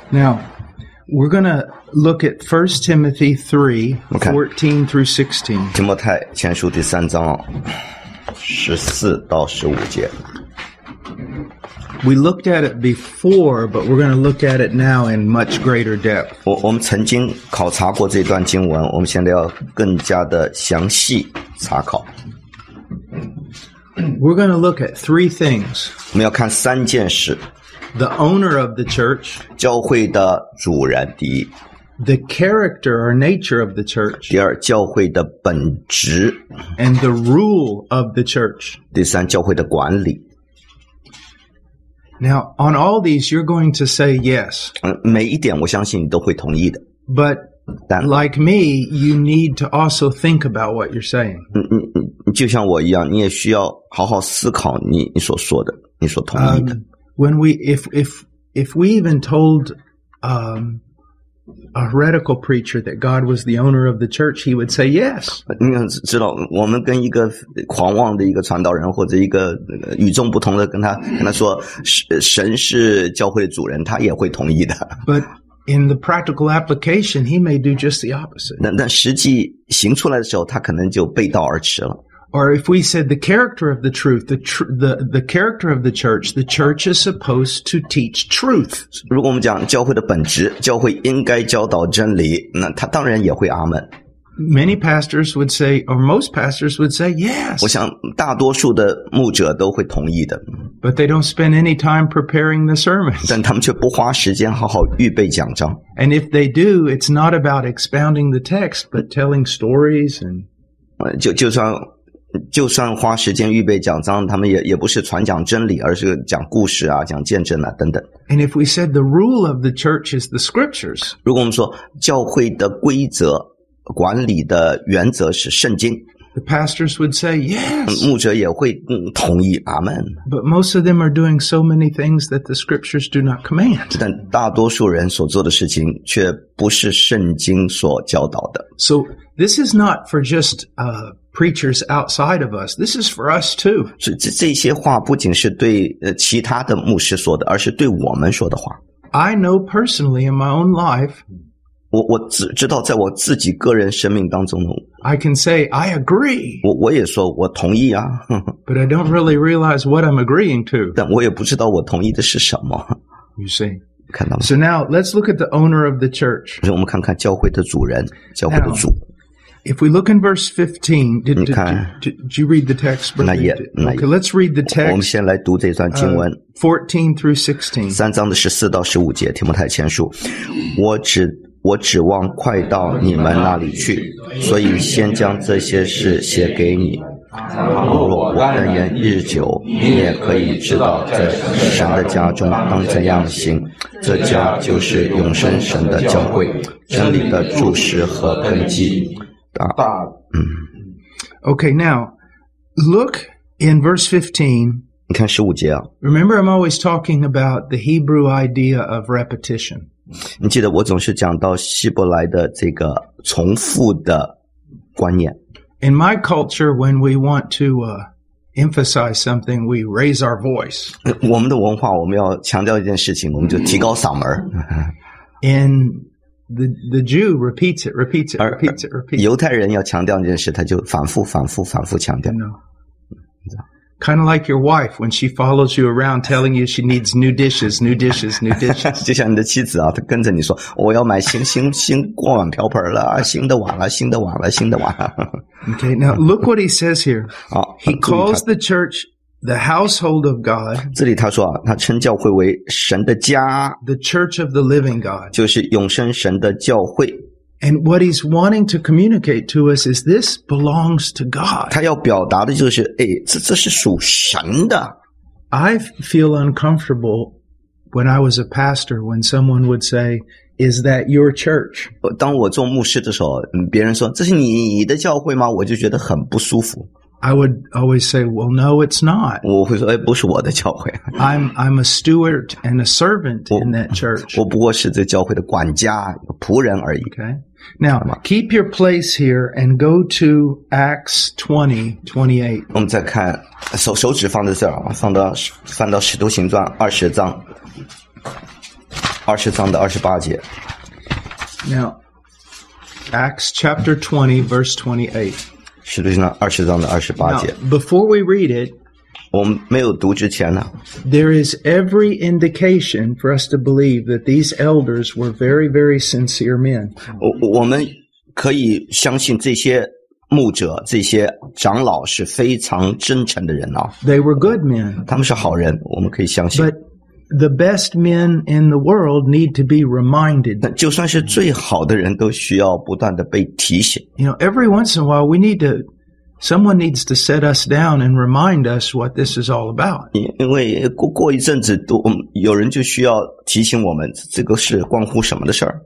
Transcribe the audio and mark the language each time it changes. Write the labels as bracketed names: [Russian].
[English] Now, we're going to look at 1 Timothy 3, 14 through 16. [Chinese] 提摩太前书第三章14到15节。 [English] We looked at it before, but we're going to look at it now in much greater depth. [Chinese] 我们曾经考察过这段经文，我们现在要更加的详细查考。 [English] We're going to look at three things. [Chinese] 我们要看三件事。 [English] The owner of the church. [Chinese] 教会的主人，第一。 [English] The character or nature of the church. [Chinese] 第二，教会的本质。 [English] And the rule of the church. [Chinese] 第三，教会的管理。 [English] Now, on all these, you're going to say yes. [Chinese] 每一点我相信你都会同意的。 [English] But... Like me, you need to also think about what you're saying. [Chinese] 就像我一样，你也需要好好思考你所说的，你所同意的。 [English] When we, if we even told, a heretical preacher that God was the owner of the church, he would say yes. [Chinese] 你知道，我们跟一个狂妄的一个传道人或者一个与众不同的跟他说神是教会的主人，他也会同意的。 [English] But,In the practical application, he may do just the opposite. [Chinese] 那实际行出来的时候，他可能就背道而驰了。 [English] Or if we said the character of the truth, the character of the church is supposed to teach truth. [Chinese] 如果我们讲教会的本质，教会应该教导真理，那他当然也会阿们。 [English] Many pastors would say, or most pastors would say, yes. [Chinese] 我想大多数的牧者都会同意的。 [English] But they don't spend any time preparing the sermon. [Chinese] 但他们却不花时间好好预备讲章。 [English] And if they do, it's not about expounding the text, but telling stories and... [Chinese] 就算花时间预备讲章，他们也不是传讲真理，而是讲故事啊，讲见证啊，等等。 [English] And if we said the rule of the church is the scriptures. [Chinese] 如果我们说教会的规则管理的原则是圣经。 [English] The pastors would say yes. [Chinese] 牧者也会同意，阿们。 [English] But most of them are doing so many things that the scriptures do not command. [Chinese] 但大多数人所做的事情却不是圣经所教导的。 [English] So this is not for just preachers outside of us. This is for us too. [Chinese] 这些话不仅是对其他的牧师说的，而是对我们说的话。 [English] I know personally in my own life. [Chinese] 我只知道在我自己个人生命当中 [English] I can say I agree [Chinese] 我也说我同意啊 [English] But I don't really realize what I'm agreeing to [Chinese] 但我也不知道我同意的是什么 [English] You see [Chinese] 看到吗 [English] So now let's look at the owner of the church [Chinese] 我们看看教会的主人教会的主 [English] now, If we look in verse 15 did you read the text? Not yet Okay, let's read the text [Chinese] 我们先来读这段经文 [English] 14 through 16 [Chinese] 三章的14到15节提摩太前书我指望快到你们那里去，所以先将这些事写给你。倘若我等人日久，你也可以知道在神的家中当怎样行。这家就是永生神的教会，真理的柱石和根基。 [English] 大。Okay, now look in verse 15. [Chinese] 你看十五节啊。 [English] Remember, I'm always talking about the Hebrew idea of repetition. [Chinese] 你记得我总是讲到希伯来的这个重复的观念。 [English] In my culture, when we want to emphasize something, we raise our voice. [Chinese] 我们的文化，我们要强调一件事情，我们就提高嗓门。 [English] And the Jew repeats it, repeats it, repeats it, repeats it. [Chinese] 犹太人要强调一件事，他就反复、反复、反复强调。 [English] No. Kind of like your wife when she follows you around telling you she needs new dishes, new dishes, new dishes. [Chinese] 就像你的妻子啊，她跟着你说，我要买新锅碗瓢盆了，新的碗了，新的碗了，新的碗了。 [English] Okay, now look what he says here. He calls the church The household of God. [Chinese] 这里他说他称教会为神的家。 [English] The church of the living God. [Chinese] 就是永生神的教会。 [English] And what he's wanting to communicate to us is this belongs to God. [Chinese] 他要表达的就是哎，这是属神的。 [English] I feel uncomfortable when I was a pastor when someone would say, is that your church? [Chinese] 当我做牧师的时候，别人说这是你的教会吗？我就觉得很不舒服。 [English] I would always say, well, no, it's not. [Chinese] 我会说，哎，不是我的教会。 [English] I'm a steward and a servant in that church. [Chinese] 我不过是这教会的管家，仆人而已。 [English] Okay. Now, keep your place here and go to Acts 20:28. [Chinese] 我们再看，手指放在这儿，放到《使徒行传》二十章的二十八节。 [English] Now, Acts chapter 20, verse 28. [Chinese] 使徒行传二十章的二十八节。 [English] Now, before we read it, [Chinese] 我们没有读之前呢 [English] ，there is every indication for us to believe that these elders were very, very sincere men. [Chinese] 我们可以相信这些牧者、这些长老是非常真诚的人啊。 [English] They were good men. [Chinese] 他们是好人，我们可以相信。 [English] But the best men in the world need to be reminded. [Chinese] 就算是最好的人都需要不断的被提醒。 [English] You know, every once in a while, someone needs to set us down and remind us what this is all about. [Chinese] 因为过一阵子都有人就需要提醒我们这个是关乎什么的事儿。